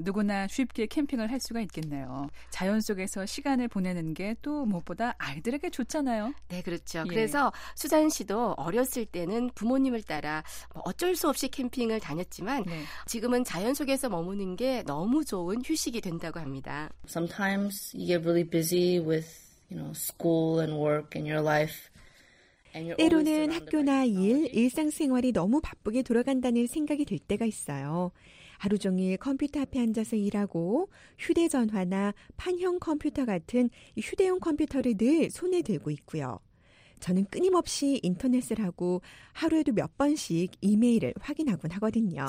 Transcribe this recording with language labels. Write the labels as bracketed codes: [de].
[ko] 누구나 쉽게 캠핑을 할 수가 있겠네요. 자연 속에서 시간을 보내는 게 또 무엇보다 아이들에게 좋잖아요. 네, 그렇죠. 예. 그래서 수잔 씨도 어렸을 때는 부모님을 따라 어쩔 수 없이 캠핑을 다녔지만 네. 지금은 자연 속에서 머무는 게 너무 좋은 휴식이 된다고 합니다. [en] Sometimes you get really busy with, you know, school and work and your life. [ko] 때로는 학교나 일, 일상생활이 너무 바쁘게 돌아간다는 생각이 들 때가 있어요. 하루 종일 컴퓨터 앞에 앉아서 일하고 휴대전화나 판형 컴퓨터 같은 휴대용 컴퓨터를 늘 손에 들고 있고요. 저는 끊임없이 인터넷을 하고 하루에도 몇 번씩 이메일을 확인하곤 하거든요.